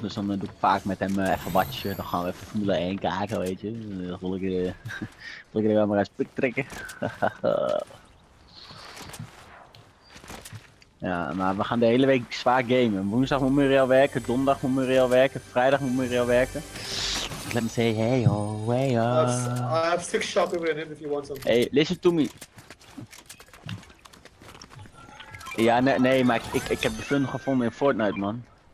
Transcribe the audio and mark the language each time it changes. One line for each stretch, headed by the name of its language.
Dutch: Dus dan doe ik vaak met hem even watchen. Dan gaan we even Formule 1 kijken, weet je. Dan wil ik er wel maar eens pik trekken. Ja, maar we gaan de hele week zwaar gamen. Woensdag moet Muriel werken, donderdag moet Muriel werken, vrijdag moet Muriel werken.
English: Let me say hey yo, hey yo. I have 6 shots over him if you want something. Hey, listen to me.
Dutch: Ja, nee, maar ik heb de fun gevonden in Fortnite, man.